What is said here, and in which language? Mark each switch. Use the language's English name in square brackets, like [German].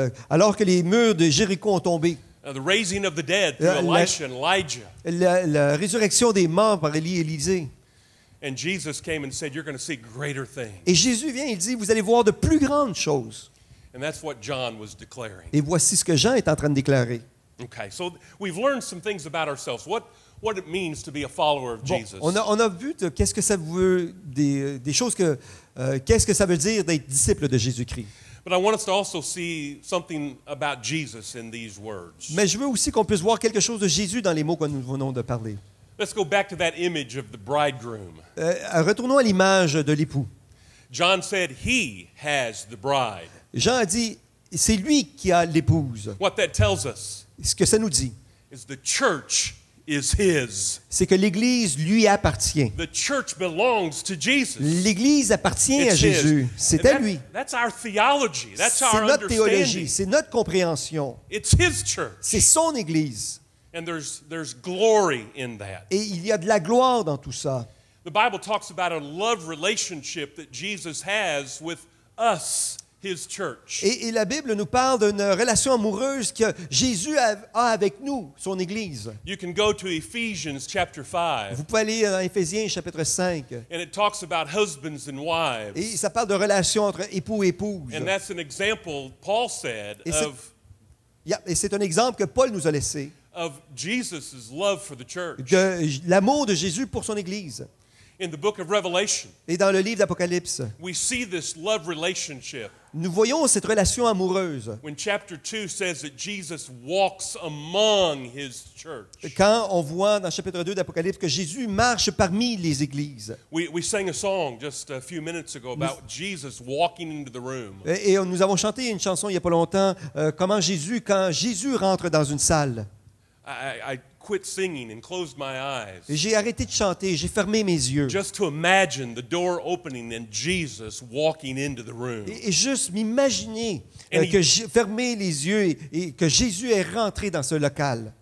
[French] Alors que les murs de Jéricho ont tombé. [English] The raising of the dead through Elisha and Elijah. [French] La résurrection des morts par Élie et Élisée. [English] And Jesus came and said, "You're going to see greater things." [French] Et Jésus vient, il dit, vous allez voir de plus grandes choses. [English] And that's what John was declaring. [French] Et voici ce que Jean est en train de déclarer. [English] Okay, so we've learned some things about ourselves. What it means to be a follower of Jesus. [French] Bon, on a vu qu'est-ce que ça veut dire d'être disciple de Jésus-Christ. [English] But I want us to also see something about Jesus in these words. [French] Mais je veux aussi qu'on puisse voir quelque chose de Jésus dans les mots que nous venons de parler. [English] Let's go back to that image of the bridegroom. [French] Retournons à l'image de l'époux. [English] John said he has the bride. [French] Jean a dit c'est lui qui a l'épouse. [English] What that tells us. [French] Ce que ça nous dit. [English] Is the church is his. [French] C'est que l'église lui appartient. [English] The church belongs to Jesus. [French] L'église appartient à Jésus. C'est à lui. [English] That's our theology. That's our understanding. [French] C'est notre théologie, c'est notre compréhension. [English] It's his church. [French] C'est son église. [English] And there's glory in that. [French] Et il y a de la gloire dans tout ça. [English] The Bible talks about a love relationship that Jesus has with us. His church. [French] Et la Bible nous parle d'une relation amoureuse que Jésus a avec nous, son Église. [English] You can go to Ephesians chapter 5. [French] Vous pouvez aller dans Éphésiens chapitre 5. [English] And it talks about husbands and wives. [French] Et ça parle de relations entre époux et épouse. [English] And that's an example Paul said of. [French] Yeah, et c'est un exemple que Paul nous a laissé. [English] Of Jesus's love for the church. [French] De l'amour de Jésus pour son Église. [English] In the book of Revelation, [French] et dans le livre d'Apocalypse, [English] we see this love relationship. [French] Nous voyons cette relation amoureuse. [English] When chapter 2 says that Jesus walks among his church. [French] Quand on voit dans chapitre 2 d'Apocalypse que Jésus marche parmi les églises. [English] We sang a song just a few minutes ago about Jesus walking into the room. [French] Et nous avons chanté une chanson il y a pas longtemps comment Jésus quand Jésus rentre dans une salle. [English] I quit singing and closed my eyes. [French] J'ai arrêté de chanter, j'ai fermé mes yeux. [English] Just to imagine the door opening and Jesus walking into the room. [French] Et juste m'imaginer que j'ai fermé les yeux et que Jésus est rentré dans ce local.